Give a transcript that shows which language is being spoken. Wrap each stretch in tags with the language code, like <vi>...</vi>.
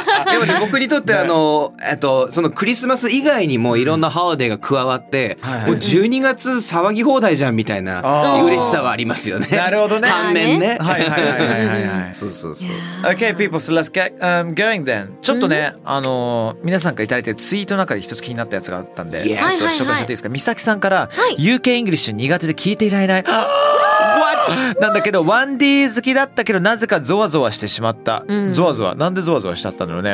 <ja>でもね、僕にとってあの、そのクリスマス以外にもいろんなハロデーが加わって、はいはい、もう12月騒ぎ放題じゃんみたいな嬉しさはありますよね。なるほどね。反面ね。はいはいはいはいはい。そうそうそう。</ja> <en>Okay, people, so let's get going then.</en> <ja>ちょっとね、皆さんからいただいてツイートの中で一つ気になったやつがあったんで、</ja> <en>yes.</en> <ja>ちょっと紹介していいですか。美咲さんから、はい、 UK English 苦手で聞いていられない。なんだけど 1D 好きだったけどなぜかゾワゾワしてしまった、うん、ゾワゾワなんでゾワゾワしちゃったんだろうね、</ja>